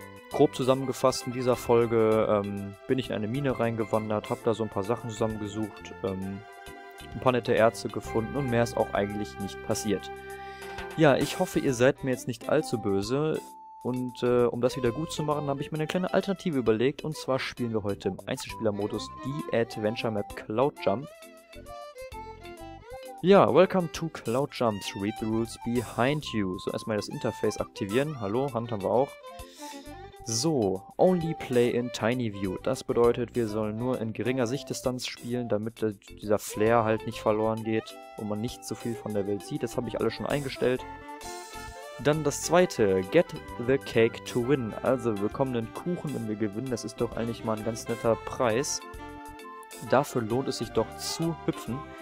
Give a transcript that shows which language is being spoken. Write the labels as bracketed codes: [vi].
[de] Grob zusammengefasst, in dieser Folge bin ich in eine Mine reingewandert, habe da so ein paar Sachen zusammengesucht, ein paar nette Erze gefunden und mehr ist auch eigentlich nicht passiert. Ja, ich hoffe, ihr seid mir jetzt nicht allzu böse und um das wieder gut zu machen, habe ich mir eine kleine Alternative überlegt und zwar spielen wir heute im Einzelspielermodus die Adventure Map Cloud Jump. [en] Ja, welcome to Cloud Jump, read the rules behind you. [de] So, erstmal das Interface aktivieren, hallo, Hand haben wir auch. [en] So, only play in tiny view. [de] Das bedeutet, wir sollen nur in geringer Sichtdistanz spielen, damit dieser Flair halt nicht verloren geht und man nicht so viel von der Welt sieht. Das habe ich alles schon eingestellt. Dann das zweite, [en] get the cake to win. [de] Also, wir bekommen einen Kuchen, wenn wir gewinnen. Das ist doch eigentlich mal ein ganz netter Preis. Dafür lohnt es sich doch zu hüpfen.